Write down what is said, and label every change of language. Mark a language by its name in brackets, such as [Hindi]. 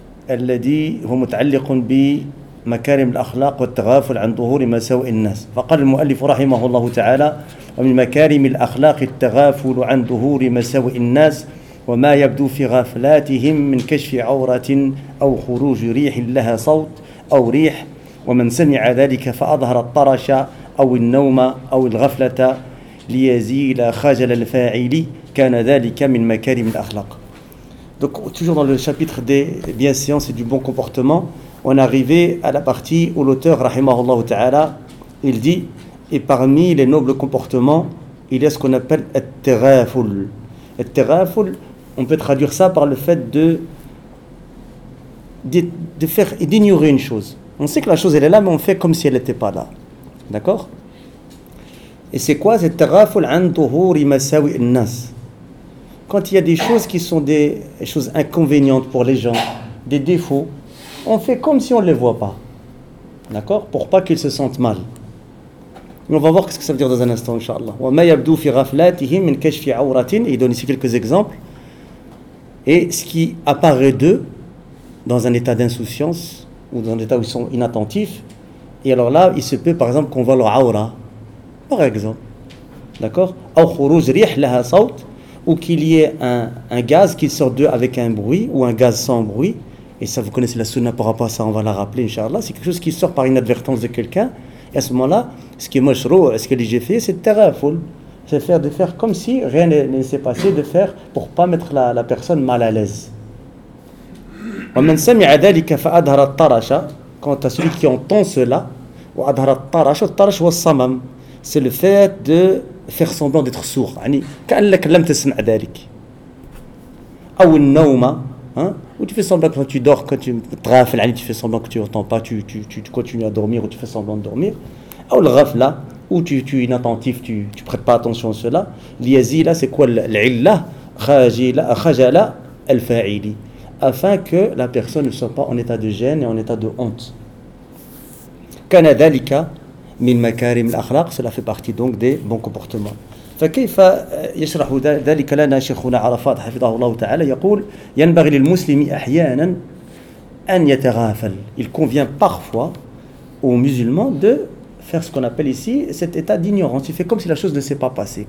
[Arabic] الذي هو متعلق بمكارم الأخلاق والتغافل عن ظهور مساوئ الناس فقال المؤلف رحمه الله تعالى ومن مكارم الأخلاق التغافل عن ظهور مساوئ الناس وما يبدو في غفلاتهم من كشف عورة أو خروج ريح لها صوت أو ريح ومن سمع ذلك فأظهر الطرش أو النوم أو الغفلة ليزيل خجل الفاعل كان ذلك من مكارم الأخلاق. [French] Donc toujours dans le chapitre des bienséances et du bon comportement, on est arrivé à la partie où l'auteur, rahimahullah ta'ala, il dit « Et parmi les nobles comportements, il y a ce qu'on appelle « التغافل ». « التغافل », on peut traduire ça par le fait d'ignorer une chose. On sait que la chose elle est là, mais on fait comme si elle n'était pas là. D'accord ? Et c'est quoi cette « [Arabic] التغافل عن ظهور مساوئ الناس [French] » Quand il y a des choses qui sont des choses inconvénientes pour les gens, des défauts, on fait comme si on ne les voit pas. D'accord ? Pour pas qu'ils se sentent mal. Mais on va voir ce que ça veut dire dans un instant, Inch'Allah. [Arabic] وَمَا يَبْدُو فِي غَفْلَاتِهِمْ مِنْ كَشْفِ عَوْرَةٍ [French] Il donne ici quelques exemples. Et ce qui apparaît d'eux, dans un état d'insouciance, ou dans un état où ils sont inattentifs, et alors là, il se peut par exemple qu'on voit leur aura. Par exemple. D'accord ? [Arabic] أَوْ خُرُوز رِيح لَهَا صَوْت [French] ou qu'il y ait un gaz qui sort d'eux avec un bruit, ou un gaz sans bruit, et ça vous connaissez la sunna par rapport à ça, on va la rappeler, Inch'Allah, c'est quelque chose qui sort par inadvertance de quelqu'un, et à ce moment-là, ce qui est mashrou, ce que j'ai fait, c'est terafoul, c'est faire comme si rien ne s'est passé, de faire pour ne pas mettre la personne mal à l'aise. [Arabic] Wa man sami'a dhalika fa adhara at-tarasha, [French] quant à celui qui entend cela, [Arabic] wa adhara at-tarasha, at-tarasha wa as-samam, [French] c'est le fait de faire semblant d'être sourd. [Arabic] Yani, كأنك لم تسمع ذلك. [French] Ou le نوم, hein, où tu fais semblant quand tu dors, quand tu تغافل, yani, tu fais semblant que tu n'entends pas, tu continues à dormir ou tu fais semblant de dormir. Ou le غفله, où tu es inattentif, tu prêtes pas attention à cela. ليزيل, c'est quoi العله? [Arabic] خجل الفاعل. [French] Afin que la personne ne soit pas en état de gêne et en état de honte. [Arabic] كان ذلك من مكارم الأخلاق [French] cela fait partie donc des bons comportements. [Arabic] فكيف يشرح ذلك لنا شيخنا عرفات حفظه الله تعالى يقول ينبغي للمسلم أحيانا أن يتغافل. [French] Il convient parfois aux musulmans de faire ce qu'on appelle ici cet état d'ignorance. Il fait comme si la chose ne s'est pas passée.